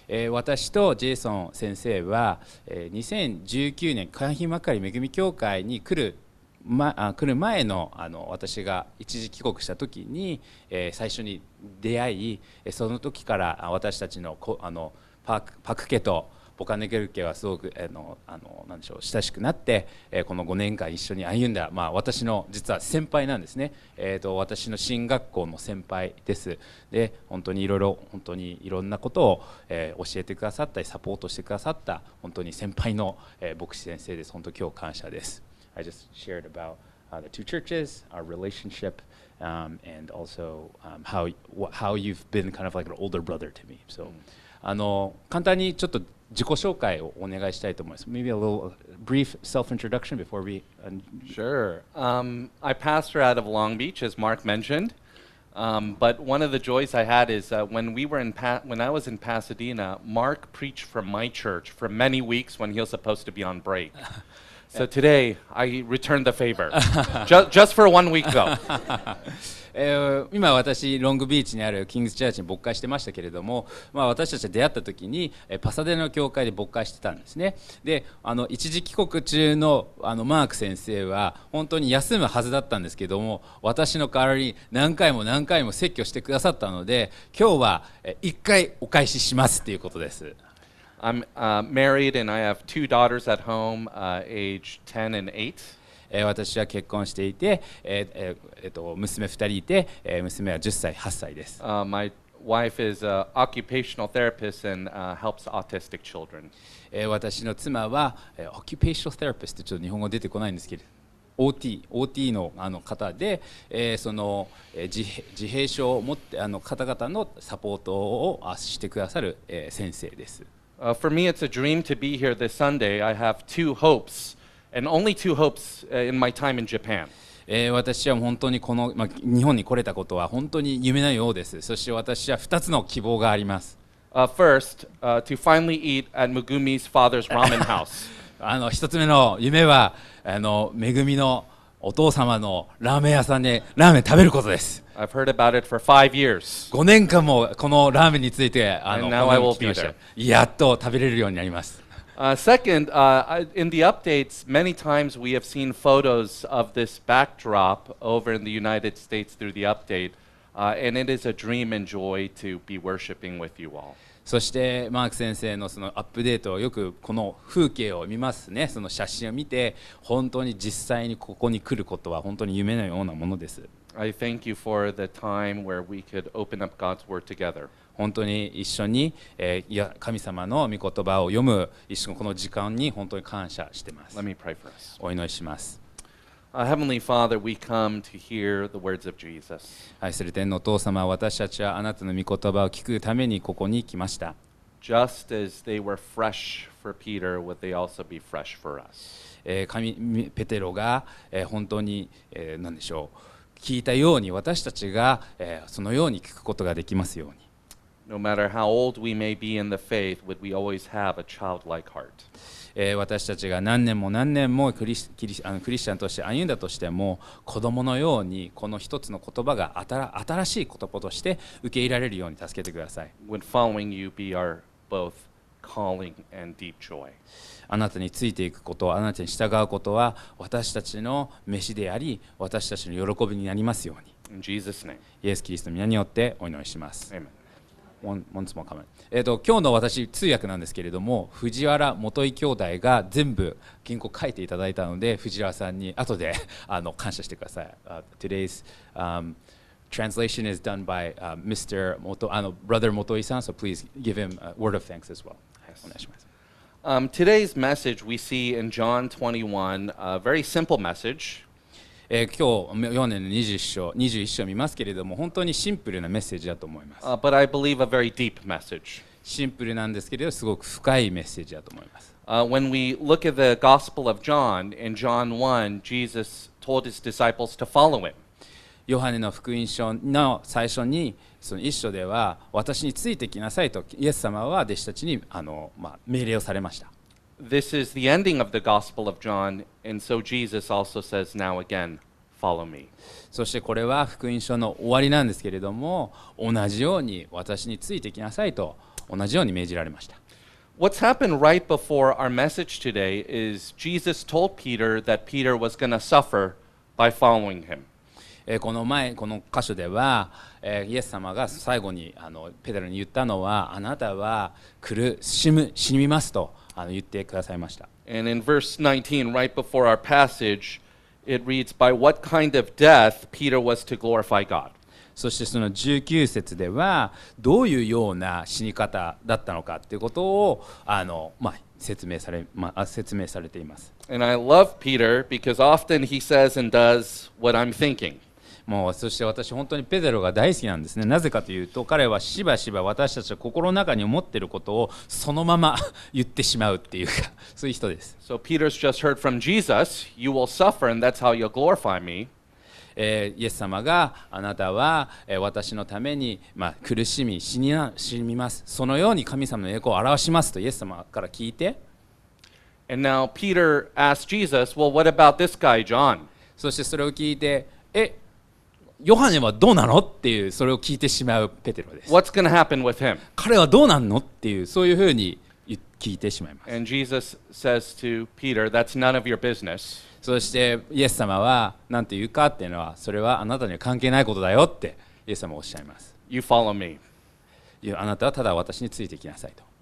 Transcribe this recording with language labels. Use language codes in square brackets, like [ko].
[ja] 私とジェイソン先生は、2019年会費まかり恵み教会に来る、来る前 の、 私が一時帰国した時に、最初に出会い、その時から私たち の、 パク家とボカネケル家はすごく何でしょう、親しくなって、この5年間一緒に歩んだ、私の実は先輩なんですね。私の進学校の先輩です。で、本当にいろいろ、本当にいろんなことを、教えてくださったり、サポートしてくださった本当に先輩の、牧師先生です。本当に今日感謝です。 [en] I just shared about、the two churches, our relationship、and also、how you've been kind of like an older brother to me. [ja] So、簡単にちょっと自己紹介をお願いしたいと思います。 [en] Maybe a little brief self-introduction before we... Sure.、I pastor out of Long Beach, as Mark mentioned.、but one of the joys I had is、when I was in Pasadena, Mark preached from my church for many weeks when he was supposed to be on break. So today, I returned the favor. just for 1 week, though. [ja] 今私ロングビーチにあるキングスチャーチに牧会してましたけれども、私たちが出会った時にパサデナ教会で牧会してたんですね。で、一時帰国中 の、 マーク先生は本当に休むはずだったんですけども、私の代わりに何回も何回も説教してくださったので、今日は一回お返ししますということです。 [en] I'm、married and I have two daughters at home、age 10 and 8。 [ja] 私は結婚していて、娘2人いて、娘は10歳、8歳です。 [en] My wife is an occupational therapist and helps autistic children. [ja] 私の妻は、 [en] occupational therapist [ja] ってちょっと日本語出てこないんですけど、OT の、方で、その、自閉症を持って、方々のサポートをしてくださる、先生です。 [en] For me, it's a dream to be here this Sunday. I have two hopes. And only two hopes in my time in Japan. [ja] 私は本当にこの、日本に来れたことは本当に夢のようです。そして私は2つの希望があります。 [en] First, to finally eat at Megumi's father's ramen house. [ja] 1つ目の夢は、めぐみのお父様のラーメン屋さんでラーメン食べることです。 [en] I've heard about it for 5 years. [ja] 5年間もこのラーメンについて、 [en] And now I will be there. [ja] やっと食べれるようになります。 [en] Second, in the updates, many times we have seen photos of this backdrop over in the United States through the update, and it is a dream and joy to be worshiping with you all. [ja] そしてマーク先生のそのアップデートをよくこの風景を見ますね。その写真を見て本当に実際にここに来ることは本当に夢のようなものです。 [en] I thank you for the time where we could open up God's word together. [ja] 本当に一緒に、神様の御言葉を読む一緒のこの時間に本当に感謝しています。 [en] Let me pray for us. [ja] お祈りします。 [en] Heavenly Father, we come to hear the words of Jesus. [ja] 愛する天のお父様、私たちはあなたの御言葉を聞くためにここに来ました。 [en] Just as they were fresh for Peter, would they also be fresh for us? [ja] ペテロが本当に何でしょう、聞いたように私たちがそのように聞くことができますように。 [en] No matter how old we may be in the faith, would we always have a childlike heart? [ja] 私たちが何年も何年もクリスチャンとして歩んだとしても子供のようにこの一つの言葉が新しい言葉として受け入れられるように助けてください。 [en] Would following you be our both calling and deep joy? [ja] あなたについていくこと、あなたに従うことは私たちの飯であり私たちの喜びになりますように。 [en] In Jesus' name. [ja] イエス・キリストの皆によってお祈りします。 [en] Amen. Once more coming. [ja] 今日の私通訳なんですけれども、藤原元井兄弟が全部原稿書いていただいたので、藤原さんに後で感謝してください。 [en] Today's translation is done by Mr. Moto, Brother 元井さん, so please give him a word of thanks as well. Yes. [ja] お願いします。 [en] Today's message we see in John 21, a very simple message. [ja] 今日4年の21章を見ますけれども本当にシンプルなメッセージだと思います。 [en] But I believe a very deep message. [ja] シンプルなんですけれどすごく深いメッセージだと思います。 [en] When we look at the gospel of John, in John 1, Jesus told his disciples to follow him. [ja] ヨハネの福音書の最初にその一章では私についてきなさいとイエス様は弟子たちに命令をされました。 [en] This is the ending of the Gospel of John, and so Jesus also says, "Now again, follow me." [ja] そしてこれは福音書の終わりなんですけれども、同じように私についてきなさいと同じように命じられました。 [en] What's happened right before our message today is Jesus told Peter that Peter was going to suffer by following him. [ja] この前この箇所では、イエス様が最後にペテロに言ったのは、あなたは死にますと。言ってくださいました。 [en] And in verse 19, right before our passage, it reads, "By what kind of death Peter was to glorify God." [ja] そしてその19節ではどういうような死に方だったのかということを説明されています。 [en] And I love Peter because often he says and does what I'm thinking. [ja] もうそして私本当にペテロが大好きなんですね。なぜかというと彼はしばしば私たちの心の中に思っていることをそのまま言ってしまうっていうかそういう人です。 [en] So Peter's just heard from Jesus, "You will suffer and that's how you'll glorify me." [ja] イエス様があなたは私のために苦しみ死にます、そのように神様の栄光を表しますとイエス様から聞いて、 [en] And now Peter asked Jesus, "Well, what about this guy, John?" [ja] そしてそれを聞いて、ヨハネはどうなのっていうそれを聞いてしまうペテロです。 [en] What's going to happen with him? [ja] 彼はどうなんのっていうそういうふうに聞いてしまいます。 [en] And Jesus says to Peter, "That's none of your business." [ja] そしてイエス様はなんて言うかっていうのはそれはあなたには関係ないことだよってイエス様はおっしゃいます。 [en] You follow me. [ja] あなたはただ私についてきなさいと。